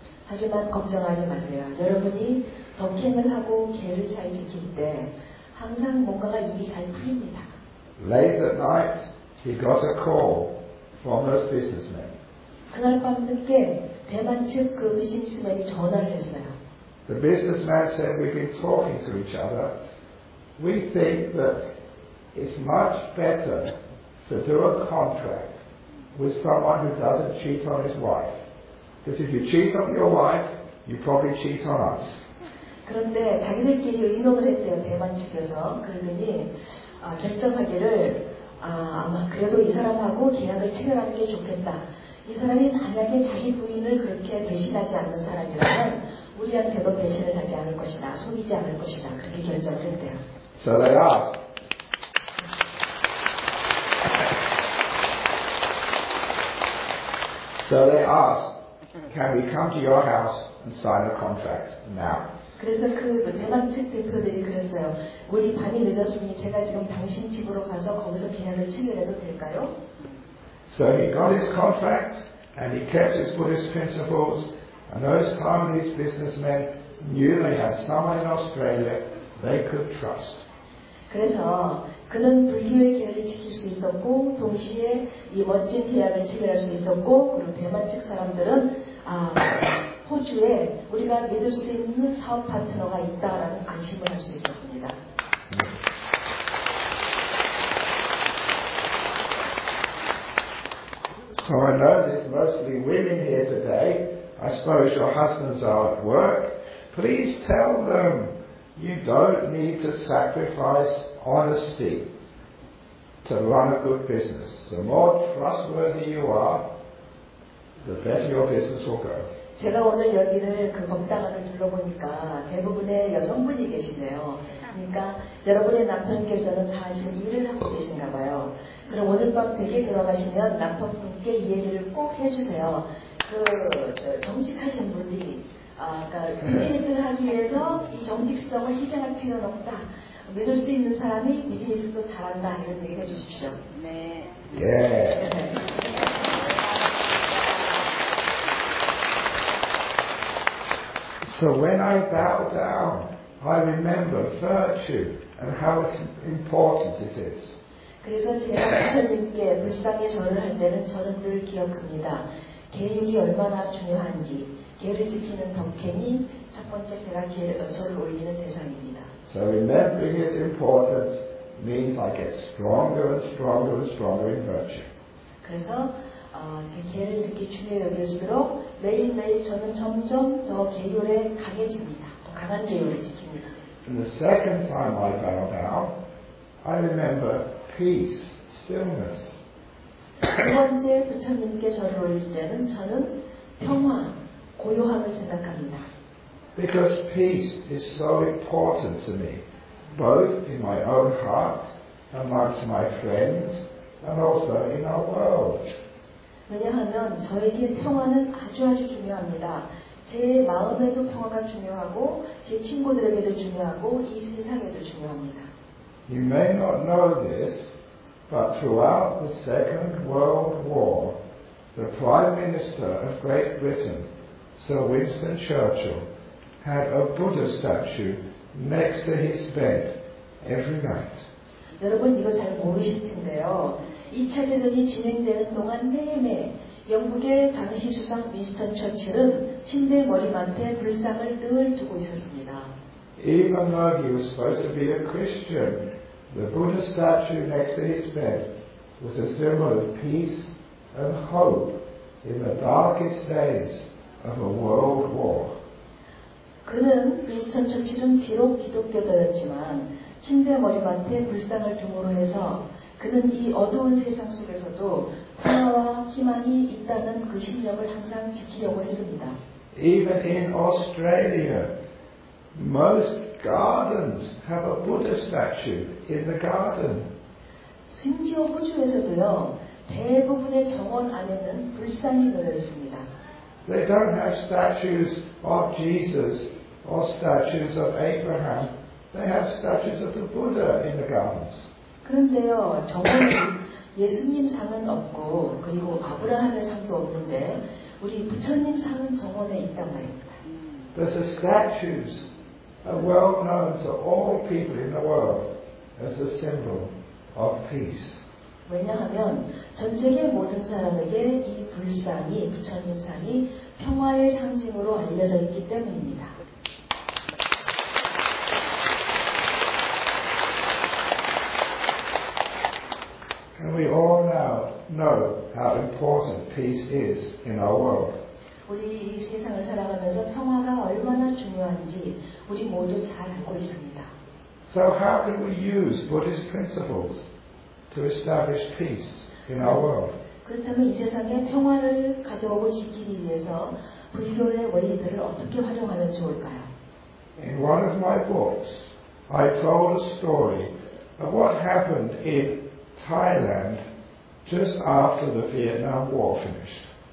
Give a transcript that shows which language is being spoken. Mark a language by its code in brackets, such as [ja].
[ko] 하지만 걱정하지 마세요. 여러분이 덕행을 하고 계를 잘 지킬 때 항상 뭔가가 일이 잘 풀립니다. [en] Late at night, he got a call from those businessmen. [ko] 그날 밤 늦게 대만 측 그 비즈니스맨이 전화를 했어요. [en] The businessman said, "We've been talking to each other. We think that it's much better to do a contract with someone who doesn't cheat on his wife. Because if you cheat on your wife, you probably cheat on us." [ko] 그런데 자기들끼리 의논을 했대요, 대만 측에서. 그러더니 결정하기를 아마 그래도 이 사람하고 계약을 체결하는 게 좋겠다. 이 사람이 만약에 자기 부인을 그렇게 배신하지 않는 사람이라면 우리한테도 배신을 하지 않을 것이다. 속이지 않을 것이다. 그렇게 결정을 했대요. [en] So they asked. So they asked, "Can we come to your house and sign the contract now?" [ko] 그래서 그 대만 측 대표들이 그랬어요. 우리 밤이 늦었으니 제가 지금 당신 집으로 가서 거기서 계약을 체결해도 될까요? [en] So he got his contract and he kept his Buddhist principles and those Taiwanese businessmen knew they had someone in Australia they could trust. [ko] 그래서 그는 불교의 계약을 지킬 수 있었고 동시에 이 멋진 계약을 체결할 수 있었고 그리고 대만 측 사람들은 호주에 우리가 믿을 수 있는 사업 파트너가 있다라는 안심을 할 수 있었습니다. [en] Yeah. So I know there's mostly women here today. I suppose your husbands are at work. Please tell them you don't need to sacrifice honesty to run a good business. The more trustworthy you are, the better your business will go. [ko] 제가 오늘 여기를 그 법당을 둘러보니까 대부분의 여성분이 계시네요. 그러니까 여러분의 남편께서는 사실 일을 하고 계신가 봐요. 그럼 오늘 밤 되게 들어가시면 남편분께 이 얘기를 꼭 해주세요. 정직하신 분이 비즈니스를 하기 위해서 이 정직성을 희생할 필요는 없다. 믿을 수 있는 사람이 비즈니스도 잘한다. 이런 얘기를 해주십시오. 네. 예. [en] So when I bow down, I remember virtue and how important it is. [ko] 그래서 제가 부처님께 불상의 절을 할 때는 저는 늘 기억합니다. 계율이 얼마나 중요한지, 계를 지키는 덕행이 첫 번째 제가 절을 올리는 대상입니다. [en] So remembering is important means I get stronger and stronger and stronger in virtue. [ko] 그래서 계를 듣기 중요해 여길수록 매일매일 저는 점점 더 계율에 강해집니다. 더 강한 계율을 지킵니다. [en] And the second time I bow down, I remember peace, stillness. [ko] 두 번째 부처님께 절을 올릴 때는 저는 평화, 고요함을 생각합니다. [en] Because peace is so important to me, both in my own heart, amongst my friends, and also in our world. [ko] 왜냐하면 저에게 평화는 아주 아주 중요합니다. 제 마음에도 평화가 중요하고 제 친구들에게도 중요하고 이 세상에도 중요합니다. [en] You may not know this, but throughout the Second World War, the Prime Minister of Great Britain, Sir Winston Churchill, had a Buddha statue next to his bed every night. [ko] 여러분 이거 잘 모르실 텐데요. 2차 대전이 진행되는 동안 내내 영국의 당시 수상 윈스턴 처칠은 침대 머리맡에 불상을 늘 두고 있었습니다. [en] Even though he was supposed to be a Christian, the Buddha statue next to his bed was a symbol of peace and hope in the darkest days of a world war. [ko] 그는 윈스턴 처칠은 비록 기독교도였지만 침대 머리맡에 불상을 두므로 해서 그는 이 어두운 세상 속에서도 평화와 희망이 있다는 그 신념을 항상 지키려고 했습니다. [en] Even in Australia, most gardens have a Buddha statue in the garden. [ko] 심지어 호주에서도요, 대부분의 정원 안에는 불상이 놓여 있습니다. [en] They don't have statues of Jesus or statues of Abraham. They have statues of the Buddha in the gardens. [ko] 그런데요, 정원에 예수님 상은 없고 그리고 아브라함의 상도 없는데 우리 부처님 상은 정원에 있단 말입니다. [en] But the statues are well known to all people in the world as a symbol of peace. [ko] 왜냐하면 전 세계 모든 사람에게 이 불상이 부처님 상이 평화의 상징으로 알려져 있기 때문입니다. [en] And we all now know how important peace is in our world. [ko] 우리 이 세상을 살아가면서 평화가 얼마나 중요한지 우리 모두 잘 알고 있습니다. [en] So how can we use Buddhist principles to establish peace in our world? [ko] 그렇다면 이 세상에 평화를 가져오고 지키기 위해서 불교의 원리들을 어떻게 활용하면 좋을까요? [en] In one of my books, I told a story of what happened in Thailand just after the Vietnam War finished.